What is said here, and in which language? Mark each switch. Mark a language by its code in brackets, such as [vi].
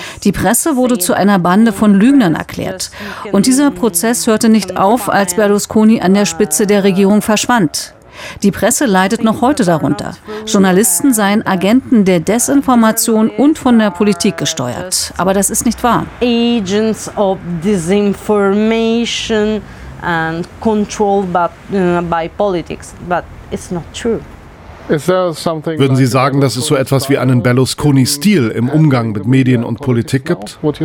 [de] Die Presse wurde zu einer Bande von Lügnern erklärt. Und dieser Prozess hörte nicht auf, als Berlusconi an der Spitze der Regierung verschwand. Die Presse leidet noch heute darunter. Journalisten seien Agenten der Desinformation und von der Politik gesteuert. Aber das ist nicht wahr. [en] Agents of disinformation and controlled by politics. But it's not true. [de] Würden Sie sagen, dass es so etwas wie einen Berlusconi-Stil im Umgang mit Medien und Politik gibt?